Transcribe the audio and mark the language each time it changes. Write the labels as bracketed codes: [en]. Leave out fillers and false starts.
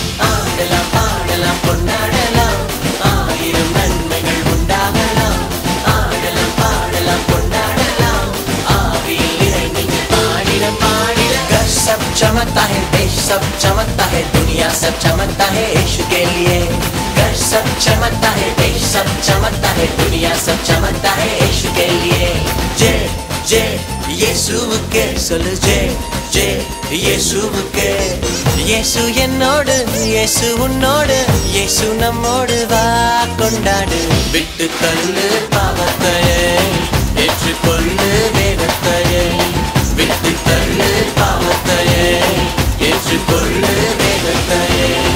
[ta] ஆடலாம் பாடலாம் கொண்டாடலாம், ஆயிரம் நன்மைகள் உண்டாகலாம். ஆடலாம் பாடலாம் கொண்டாடலாம், ஆவியில் இறங்கி பாடிடம் பாடி. [hi] सब चमकता है देश, सब चमकता है दुनिया, सब चमकता है यीशु के लिए. घर सब चमकता है, देश सब चमकता है, दुनिया सब चमकता है यीशु के लिए. जे जे यीशु के सुन, जे जे यीशु के. [ta] यीशु என்னோடு, यीशु உன்னோடு, यीशु நம்மோடு வா கொண்டாடு. விட்டு தள்ளு பாவத்தையே, ஏற்றுக்கொள்ளு வேதத்தையே. விட்டு தள்ளு பாவத்தையே, ஏற்றுக்கொள்ளு வேதத்தையே.